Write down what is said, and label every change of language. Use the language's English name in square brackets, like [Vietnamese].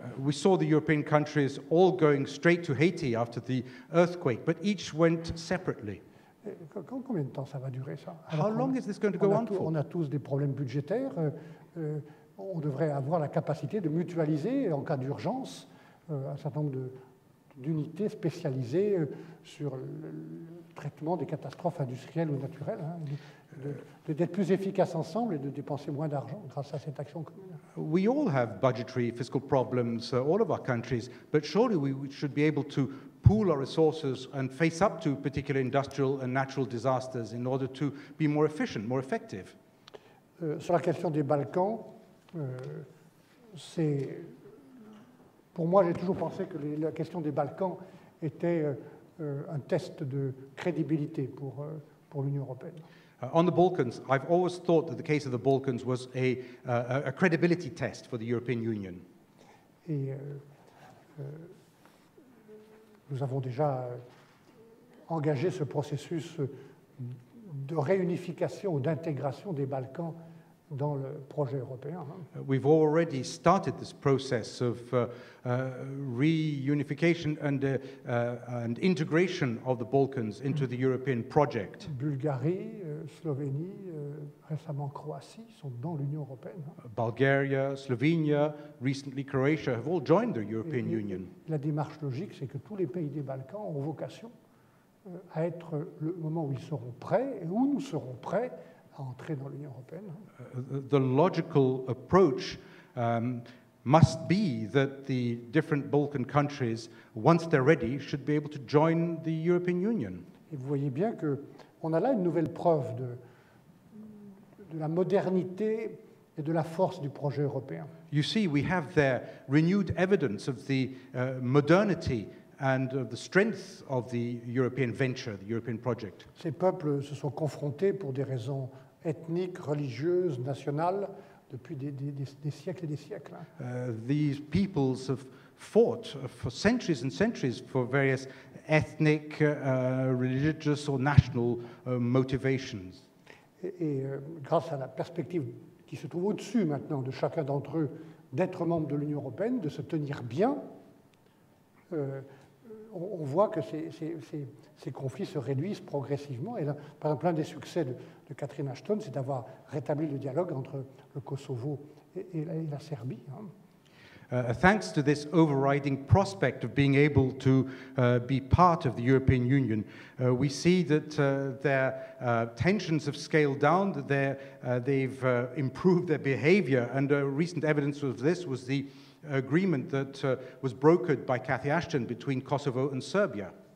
[English] We saw the European countries all going straight to Haiti after the earthquake, but each went separately. [French] Combien de temps ça va durer, ça? [English] How long is this going to go on for? [French] On a tous des problèmes budgétaires. On devrait avoir la capacité de mutualiser, en cas d'urgence, un certain nombre d'unités spécialisées sur le traitement des catastrophes industrielles ou naturelles, hein, d'être plus efficaces ensemble et de dépenser moins d'argent grâce à cette action commune. [English] We all have budgetary fiscal problems, all of our countries, but surely we should be able to pool our resources and face up to particular industrial and natural disasters in order to be more efficient, more effective. [French] Sur la question des Balkans, c'est... Pour moi, j'ai toujours pensé que la question des Balkans était un test de crédibilité pour l'Union européenne. [English] On the Balkans, I've always thought that the case of the Balkans was a credibility test for the European Union. [French] Et nous avons déjà engagé ce processus de réunification ou d'intégration des Balkans dans le projet européen. [English] We've already started this process of reunification and integration of the Balkans into the European project. [French] Bulgarie, Slovénie, récemment Croatie sont dans l'Union européenne. [English] Bulgaria, Slovenia, recently Croatia have all joined the European Union. [French] La démarche logique, c'est que tous les pays des Balkans ont vocation à être le moment où ils seront prêts et où nous serons prêts à entrer dans l'Union européenne. [English] The logical approach must be that the different Balkan countries, once they're ready, should be able to join the European Union. [French] Et vous voyez bien que on a là une nouvelle preuve de la modernité et de la force du projet européen. [English] You see, we have there renewed evidence of the modernity and of the strength of the European venture, the European project. [French] Ces peuples se sont confrontés pour des raisons ethniques, religieuses, nationales, depuis des siècles et des siècles. [English] These peoples have fought for centuries and centuries for various ethnic, religious or national motivations. [French] Et grâce à la perspective qui se trouve au-dessus maintenant de chacun d'entre eux d'être membre de l'Union européenne, de se tenir bien, on voit que ces conflits se réduisent progressivement. Et là, par exemple, l'un des succès de Catherine Ashton, c'est d'avoir rétabli le dialogue entre le Kosovo et la Serbie. [English] Thanks to this overriding prospect of being able to be part of the European Union, we see that their tensions have scaled down, that they've improved their behavior. And recent evidence of this was the agreement that was brokered by Cathy Ashton between Kosovo and Serbia.